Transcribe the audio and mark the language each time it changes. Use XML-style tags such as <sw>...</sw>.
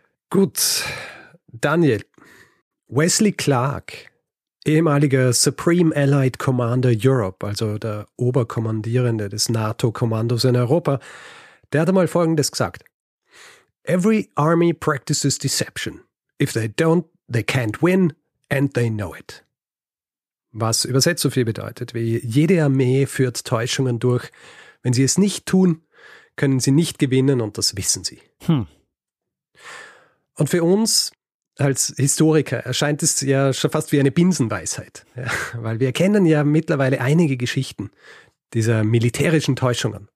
<de>Gut, Daniel, Wesley Clark, ehemaliger Supreme Allied Commander Europe, also der Oberkommandierende des NATO-Kommandos in Europa, der hat einmal Folgendes gesagt.</de> <en>Every army practices deception. If they don't, they can't win and they know it.</en> <de>Was übersetzt so viel bedeutet, wie jede Armee führt Täuschungen durch. Wenn sie es nicht tun, können sie nicht gewinnen und das wissen sie. Und für uns als Historiker erscheint es ja schon fast wie eine Binsenweisheit, ja, weil wir kennen ja mittlerweile einige Geschichten dieser militärischen Täuschungen.</de>